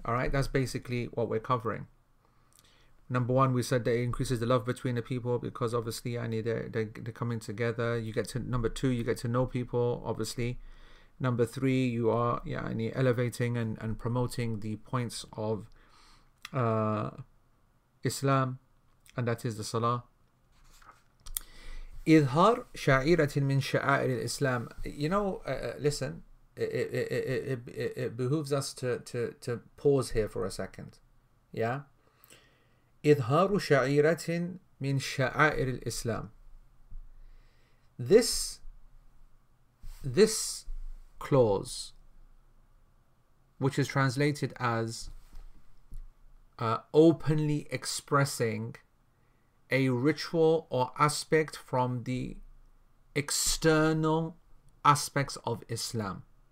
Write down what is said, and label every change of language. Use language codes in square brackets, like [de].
[en] All right, that's basically what we're covering. Number one, we said that it increases the love between the people because obviously, yani, they're coming together. You get to number two, you get to know people, obviously. Number three, you are yani elevating and promoting the points of Islam, and that is the salah. [ar] إظهار شعيرة من شعائر الإسلام. [en] You know, listen, it behooves us to pause here for a second. Yeah. [ar] إظهار شعيرة من شعائر الإسلام. [en] This clause, which is translated as openly expressing a ritual or aspect from the external aspects of Islam.